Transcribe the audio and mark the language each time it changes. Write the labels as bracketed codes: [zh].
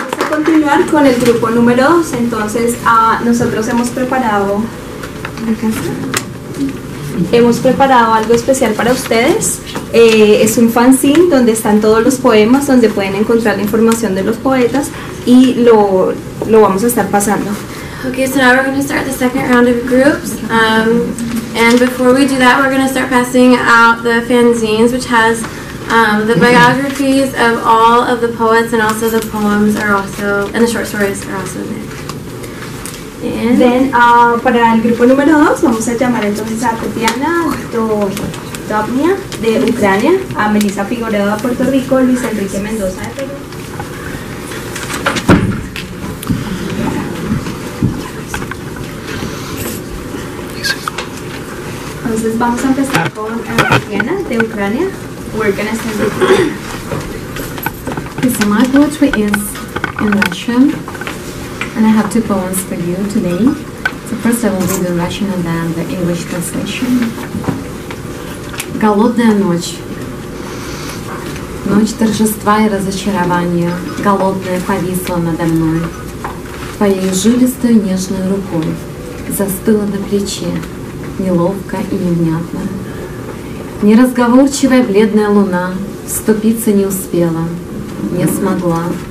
[es] Continuar con el grupo número 2, entonces nosotros hemos preparado algo especial para ustedes. Es un fanzine donde están todos los poemas, donde pueden encontrar la información de los poetas, y lo vamos a estar pasando. [en] Okay, so now we're going to start the second round of groups. And before we do that, we're going to start passing out the fanzines, which has the biographies of all of the poets, and also the poems are also, and the short stories are also in there. And then, [es] para el grupo número 2, vamos a llamar entonces a Tetyana Dovbnya de Ucrania, a Melissa Figueroa de Puerto Rico, Luis Enrique Mendoza de Perú. Entonces, vamos a empezar con Tetyana de Ucrania. [en] Okay, so my poetry is in Russian, and I have two poems for you today. So first I will read the Russian and then the English translation. [ru] Голодная ночь. Ночь торжества и разочарования. Голодная повисла надо мной. Твоей жилистой нежной рукой застыла на плече, неловко и невнятно. Неразговорчивая бледная луна вступиться не успела, не смогла.